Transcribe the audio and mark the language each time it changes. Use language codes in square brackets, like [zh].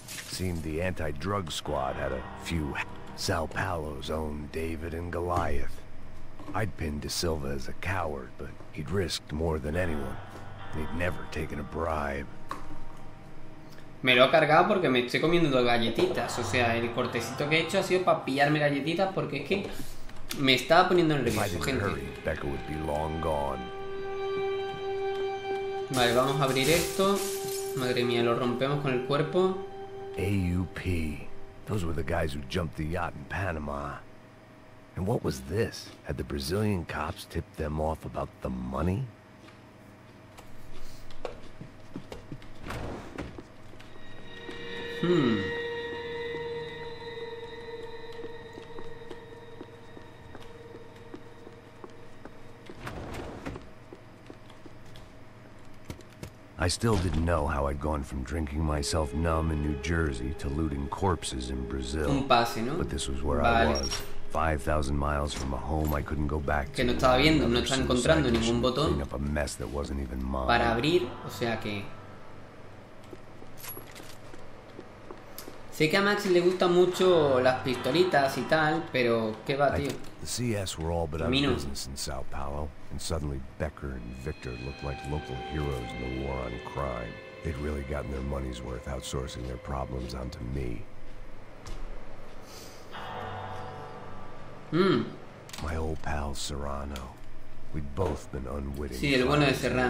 [en] Seemed the anti-drug squad had a few Sao Paulo's own David and Goliath. I'd pinned De Silva as a coward, but he'd risked more than anyone. He'd never taken a bribe. [es] Me lo he cargado porque me estoy comiendo dos galletitas. O sea, el cortecito que he hecho ha sido para pillarme galletitas porque es que me estaba poniendo nervioso, gente. [en] Hurry, Becca would be long gone. [es] Vale, vamos a abrir esto. Madre mía, lo rompemos con el cuerpo. AUP. [en] Those were the guys who jumped the yacht in Panama. And what was this? Had the Brazilian cops tipped them off about the money? I still didn't know how I'd gone from drinking myself numb in New Jersey to looting corpses in Brazil. [es] Un pase, ¿no? [en] But this was where [es] vale. [en] I was. 5,000 miles from a home I couldn't go back to. [es] Que no estaba viendo, no estaba encontrando ningún botón para abrir, o sea que... Sé que a Max le gustan mucho las pistolitas y tal, pero qué va, tío. [en] The CS were all but out of business in Sao Paulo, and suddenly Becker and Victor looked like local heroes in the war on crime. They'd really gotten their money's worth outsourcing their problems onto me. My old pal Serrano. We'd both been unwitting. [es] Sí, el bueno de Serrano.